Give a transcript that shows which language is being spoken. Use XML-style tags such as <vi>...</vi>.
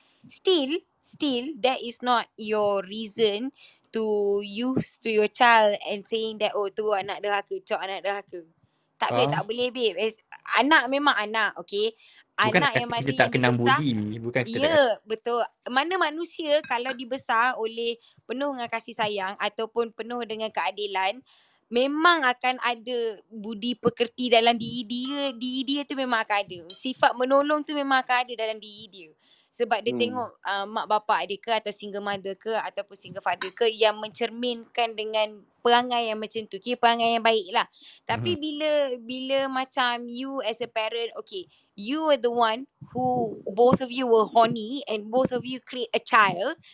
<en>Still, that is not your reason to use to your child and saying that,</en> <ms>oh tu anak derhaka, cok anak derhaka. Tak boleh, tak boleh babe. Anak memang anak, okay. Anak bukan yang mana kita tak kena budi ni, bukan kita. Ya, betul. Mana manusia kalau dibesar oleh penuh dengan kasih sayang ataupun penuh dengan keadilan, memang akan ada budi pekerti dalam diri dia. Diri dia tu memang akan ada. Sifat menolong tu memang akan ada dalam diri dia. Sebab dia tengok mak bapak dia ke, atau single mother ke, ataupun single father ke, yang mencerminkan dengan perangai yang macam tu. Okay, perangai yang baik lah. Tapi bila macam</ms> <en>you as a parent, okay, you are the one who both of you were horny and both of you create a child.</en>